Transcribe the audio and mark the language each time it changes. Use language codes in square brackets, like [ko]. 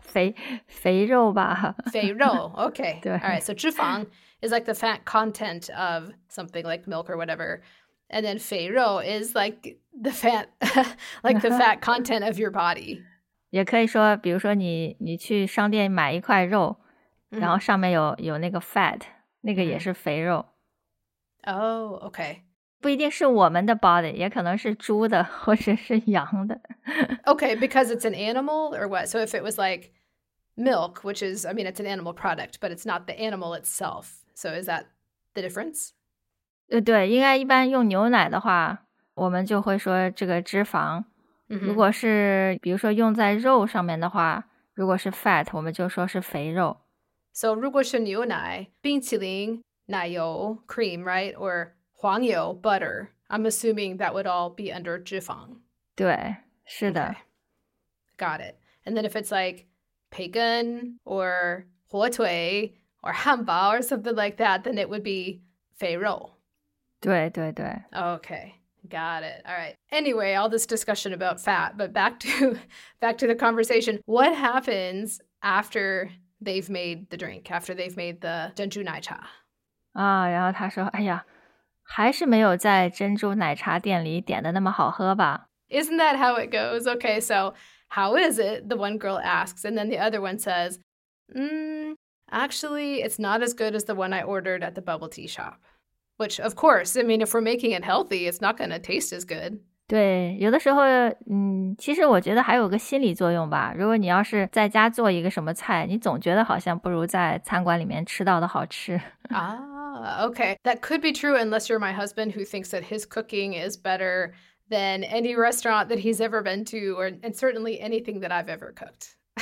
[zh] 那个应该叫肥肉吧。肥肉, [en] okay. [zh] 对。 [en] All right, so 脂肪 is like the fat content of something like milk or whatever. And then 肥肉 is like the fat, like the fat content of your body. [zh] 也可以说,比如说你去商店买一块肉, 然后上面有那个 fat, 那个也是肥肉。 [en] Oh, okay. [zh] 不一定是我们的 body， 也可能是猪的或者是羊的。 [en] Okay, because it's an animal or what? So if it was like milk, which is, I mean, it's an animal product, but it's not the animal itself. So is that the difference? [zh] 对，应该一般用牛奶的话，我们就会说这个脂肪。如果是比如说用在肉上面的话，如果是 fat， 我们就说是肥肉。 [en] So [zh] 如果是牛奶，冰淇淋，奶油 [en] cream, right? Or 黄油 butter. I'm assuming that would all be under 脂肪。 [zh] 对，是的。 [en] Okay. Got it. And then if it's like 培根 or 火腿 or 汉堡 or something like that, then it would be 肥肉。 [zh] 对对对。 [en] Okay, got it. All right. Anyway, all this discussion about fat, but back to the conversation. What happens after they've made the drink, after they've made the 珍珠奶茶? [zh] 啊，然后他说，哎呀，还是没有在珍珠奶茶店里点的那么好喝吧。 [en] Isn't that how it goes? Okay, so how is it? The one girl asks, and then the other one says, actually, it's not as good as the one I ordered at the bubble tea shop. Which, of course, I mean, if we're making it healthy, it's not going to taste as good. [zh] 对，有的时候，其实我觉得还有个心理作用吧。如果你要是在家做一个什么菜，你总觉得好像不如在餐馆里面吃到的好吃。 [en] Okay, that could be true unless you're my husband who thinks that his cooking is better than any restaurant that he's ever been to or and certainly anything that I've ever cooked.